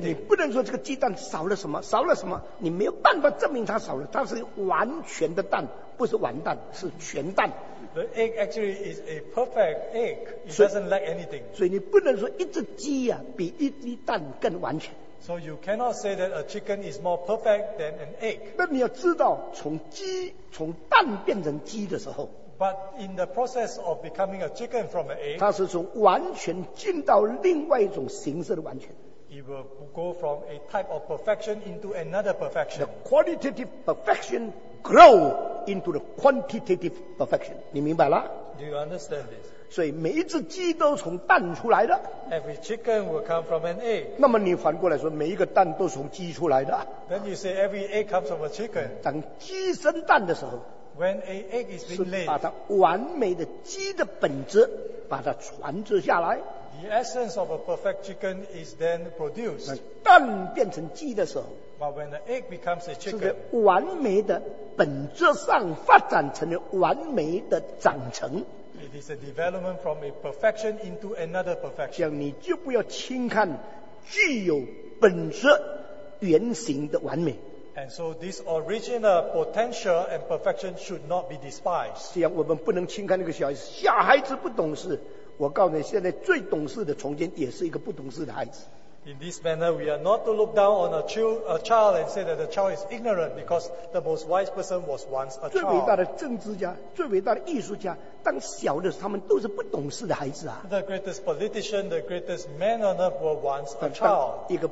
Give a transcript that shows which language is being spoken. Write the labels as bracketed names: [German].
[Chinese] 你不能说这个鸡蛋少了什么, 少了什么, 你没有办法证明它少了, 它是完全的蛋, 不是完蛋, 是全蛋。 [English] The egg actually is a perfect egg. It doesn't lack anything. [Chinese] 所以你不能说一只鸡啊, 比一粒蛋更完全。 [English] So you cannot say that a chicken is more perfect than an egg. [Chinese] 那你要知道, 从鸡, 从蛋变成鸡的时候, [English] but in the process of becoming a chicken from an egg, [Chinese] 它是从完全进到另外一种形式的完全。 [English] It will go from a type of perfection into another perfection. The qualitative perfection grow into the quantitative perfection. [Chinese] 你明白了? [English] Do you understand this? [Chinese] 所以每一只鸡都从蛋出来的, [English] every chicken will come from an egg. [Chinese] 那么你反过来说, 每一个蛋都从鸡出来的, [English] then you say every egg comes from a chicken. [Chinese] 当鸡生蛋的时候, [English] when an egg is being laid, [Chinese] 是把它完美的鸡的本质, 把它传制下来, [English] the essence of a perfect chicken is then produced. [Chinese] 蛋变成鸡的时候, [English] But when the egg becomes a chicken, [Chinese] 是在完美的本质上发展成了完美的长成。 [English] It is a development from a perfection into another perfection. [Chinese] 这样你就不要轻看具有本质原型的完美。 [English] And so this original potential and perfection should not be despised. [Chinese] 这样我们不能轻看那个小孩子，小孩子不懂事。我告诉你，现在最懂事的，从前也是一个不懂事的孩子。 [English] In this manner, we are not to look down on a child and say that the child is ignorant because the most wise person was once a child. [Chinese] 最伟大的政治家，最伟大的艺术家，当小的时候，他们都是不懂事的孩子啊。 [English] The greatest politician, the greatest man on earth were once a child.